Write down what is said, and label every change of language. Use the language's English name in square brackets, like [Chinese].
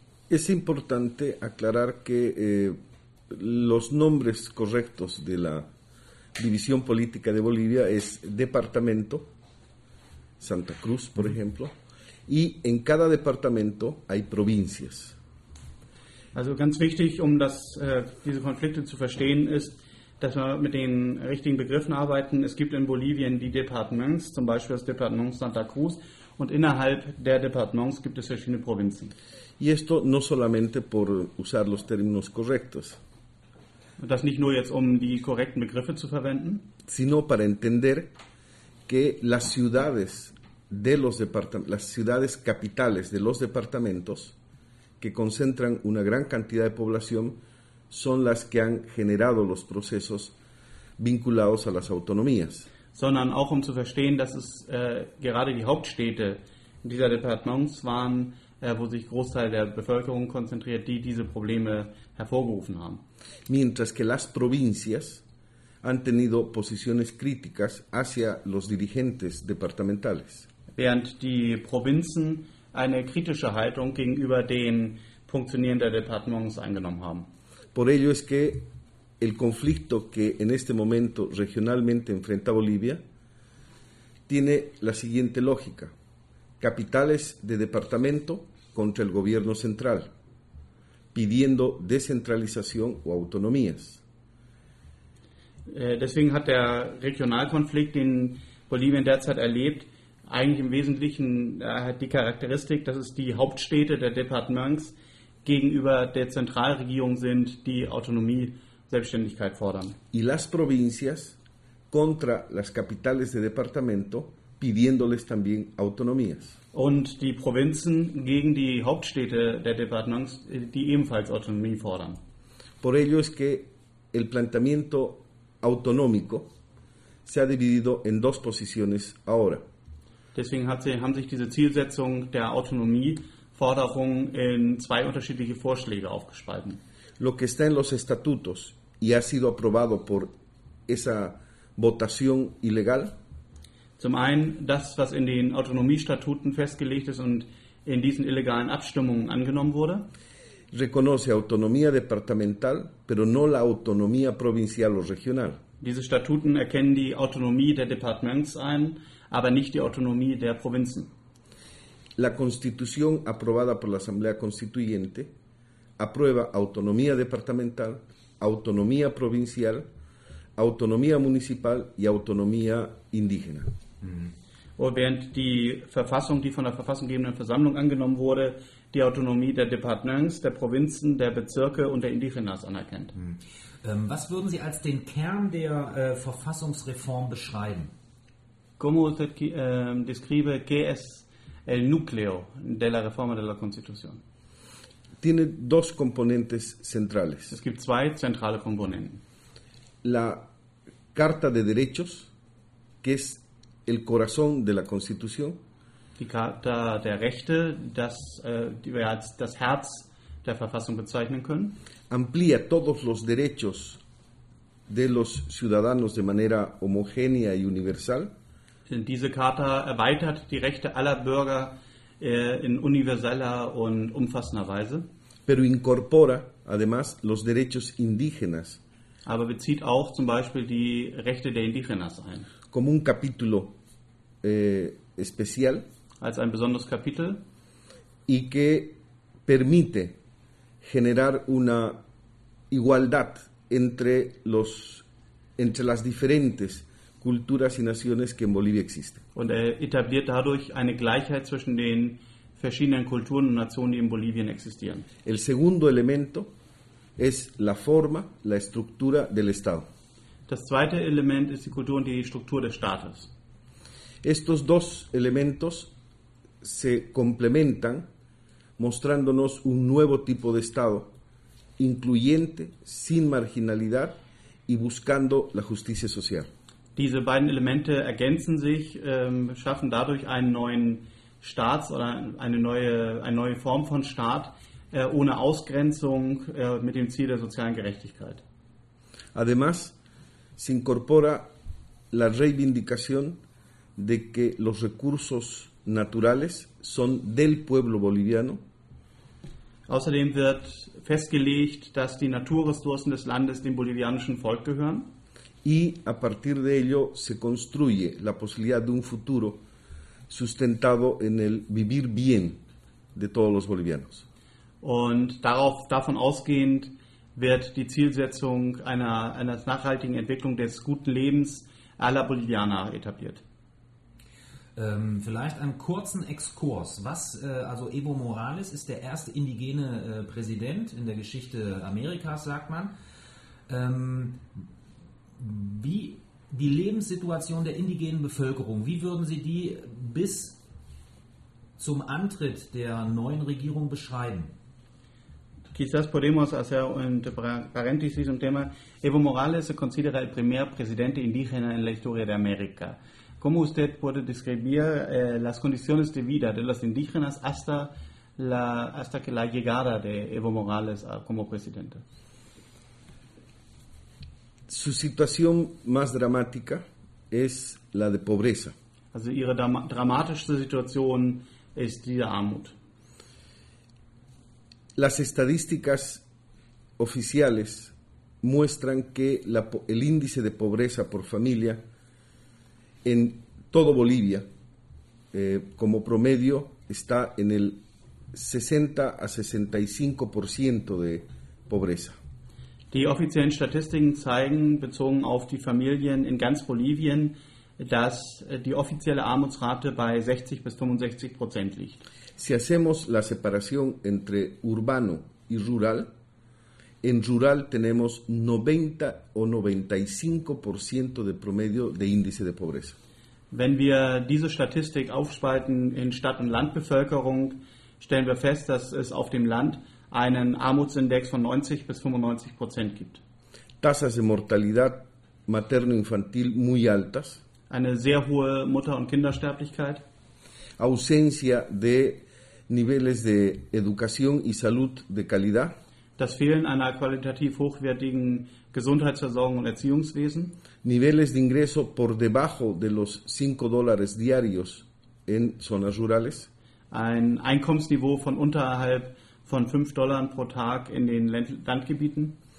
[Spanish] Es importante aclarar que los nombres correctos de la división política de Bolivia es departamento, Santa Cruz, por ejemplo, y en cada departamento hay provincias. [German] Also ganz wichtig, um das, diese Konflikte zu verstehen, ist, dass wir mit den richtigen Begriffen arbeiten. Es gibt in Bolivien die Departements, zum Beispiel das Departement Santa Cruz, und innerhalb der Departements gibt es verschiedene Provinzen. [Spanish] Y esto no solamente por usar los términos correctos. [German] Das nicht nur jetzt, um die korrekten Begriffe zu verwenden, [Spanish] sino para entender que las ciudades de los departamentos, las ciudades capitales de los departamentos que concentran una gran cantidad de población son las que han generado los procesos vinculados a las autonomías. [German] Sondern auch um zu verstehen, dass es gerade die Hauptstädte dieser Departements waren, wo sich Großteil der Bevölkerung konzentriert, die diese Probleme hervorgerufen haben. [Spanish] Mientras que las provincias han tenido posiciones críticas hacia los dirigentes departamentales. [German] Während die Provinzen eine kritische Haltung gegenüber den Funktionieren der Departements eingenommen haben. [Spanish] Por ello es que el conflicto que en este momento regionalmente enfrenta Bolivia tiene la siguiente lógica: capitales de departamento contra el gobierno central, pidiendo descentralización o autonomías. [German] Deswegen hat der Regionalkonflikt, den Bolivien derzeit erlebt, eigentlich im Wesentlichen hat die Charakteristik, dass es die Hauptstädte der Departements gegenüber der Zentralregierung sind, die Autonomie, Selbstständigkeit fordern. [Spanish] Y las provincias contra las capitales de departamento pidiéndoles también autonomías. [German] Und die Provinzen gegen die Hauptstädte der Departements, die ebenfalls Autonomie fordern. [Spanish] Por ello es que el planteamiento autonómico se ha dividido en dos posiciones ahora. [German] Deswegen haben sich diese Zielsetzung der Autonomieforderung in zwei unterschiedliche Vorschläge aufgespalten. [Spanish] lo que está en los estatutos y ha sido aprobado por esa votación ilegal? [German] Zum einen das, was in den Autonomiestatuten festgelegt ist und in diesen illegalen Abstimmungen angenommen wurde. [Spanish] Reconoce autonomía departamental, pero no la autonomía provincial o regional. [German] Diese Statuten erkennen die Autonomie der Departements an, aber nicht die Autonomie der Provinzen. [Spanish] La Constitución aprobada por la Asamblea Constituyente aprueba autonomía departamental, autonomía provincial, autonomía municipal y autonomía indígena. [German] Und während die Verfassung, die von der verfassunggebenden Versammlung angenommen wurde, die Autonomie der Departements, der Provinzen, der Bezirke und der Indigenas anerkennt. Was würden Sie als den Kern der Verfassungsreform beschreiben? [Spanish] ¿Cómo usted describe qué es el núcleo de la reforma de la Constitución? Tiene dos componentes centrales. [German] Es gibt zwei zentrale Komponenten. [Spanish] La Carta de Derechos, que es el corazón de la Constitución. [German] Die Charta der Rechte, das, die wir als das Herz der Verfassung bezeichnen können. [Spanish] Amplía todos los derechos de los ciudadanos de manera homogénea y universal. [German] Diese Charta erweitert die Rechte aller Bürger in universeller und umfassender Weise. [Spanish] Pero incorpora además los derechos indígenas. [German] Aber bezieht auch zum Beispiel die Rechte der Indígenas ein. [Spanish] Como un capítulo especial. [German] Als ein besonderes Kapitel. [Spanish] Y que permite generar una igualdad entre las diferentes culturas y naciones que en Bolivia existen. [German] Und etabliert dadurch eine Gleichheit zwischen den verschiedenen Kulturen und Nationen, die in Bolivien existieren. [Spanish] El segundo elemento es la forma, la estructura del Estado. [German] Das zweite Element ist die Kultur und die Struktur des Staates. [Spanish] Estos dos elementos se complementan mostrándonos un nuevo tipo de Estado, incluyente, sin marginalidad y buscando la justicia social. [German] Diese beiden Elemente ergänzen sich, schaffen dadurch einen neuen Staat oder eine neue Form von Staat ohne Ausgrenzung mit dem Ziel der sozialen Gerechtigkeit. [Spanish] Además, se incorpora la reivindicación de que los recursos naturales son del pueblo boliviano. [German] Außerdem wird festgelegt, dass die Naturressourcen des Landes dem bolivianischen Volk gehören. [Spanish] Y a partir de ello se construye la posibilidad de un futuro sustentado en el vivir bien de todos los bolivianos. [German] Und davon ausgehend wird die Zielsetzung einer nachhaltigen Entwicklung des guten Lebens aller Bolivianer etabliert. Vielleicht einen kurzen Exkurs. Was, also Evo Morales ist der erste indigene Präsident in der Geschichte Amerikas, sagt man. Wie die Lebenssituation der indigenen Bevölkerung, wie würden Sie die bis zum Antritt der neuen Regierung beschreiben? [Spanish] Quizás podemos hacer un paréntesis un tema. Evo Morales se considera el primer presidente indígena en la historia de América. ¿Cómo usted puede describir las condiciones de vida de los indígenas hasta que la llegada de Evo Morales como presidente? Su situación más dramática es la de pobreza. [German] Also ihre dramatischste Situation ist die der Armut. [Spanish] Las estadísticas oficiales muestran que el índice de pobreza por familia en todo Bolivia, como promedio, está en el 60-65% de pobreza. [German] Die offiziellen Statistiken zeigen, bezogen auf die Familien in ganz Bolivien, dass die offizielle Armutsrate bei 60-65% liegt. [Spanish] Si hacemos la separación entre urbano y rural, en rural tenemos 90-95% de promedio de índice de pobreza. [German] Wenn wir diese Statistik aufspalten in Stadt- und Landbevölkerung, stellen wir fest, dass es auf dem Land einen Armutsindex von 90-95% gibt. [Spanish] Tasas de mortalidad materno-infantil muy altas. [German] Eine sehr hohe Mutter- und Kindersterblichkeit. [Spanish] Ausencia de niveles de educación y salud de calidad. [German] das Fehlen einer qualitativ hochwertigen Gesundheitsversorgung und Erziehungswesen. [Spanish] Niveles de ingreso por debajo de los 5 dólares diarios en zonas rurales. [German] Ein Einkommensniveau von unterhalb von 5 Dollar pro Tag in den Landgebieten.